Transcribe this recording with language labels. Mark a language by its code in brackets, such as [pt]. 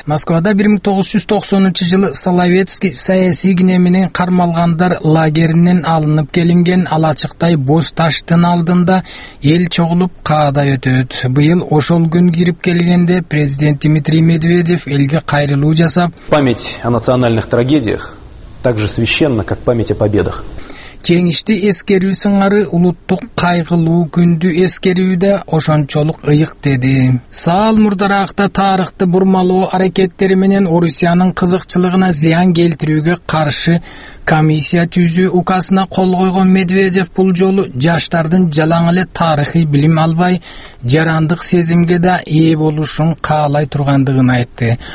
[ky] Москвада 1990 жылы Соловецкий саясий кине менен кармалгандар лагеринен алынып келинген Алачыктай боз таштын алдында эл чогулуп каадай өтөт. Быйыл ошол күн кирип келгенде президент Дмитрий Медведев элге кайрылуу жасап, [ru] память о национальных трагедиях так же священна, как память о победах. [ky] Жеңишти эскерүү сыңары улуттук кайгылуу күндү эскерүү да ошончолук ыйык деди. Саал мурдараакта тарыхты бурмалоо аракеттери менен Орусиянын кызыкчылыгына зыян келтирүүгө каршы Комиссия түзү указына кол койгон Медведев бул жолу жаштардын жалаң эле тарыхый билим албай, жарандык сезимге да ээ болушун каалай тургандыгын айтты.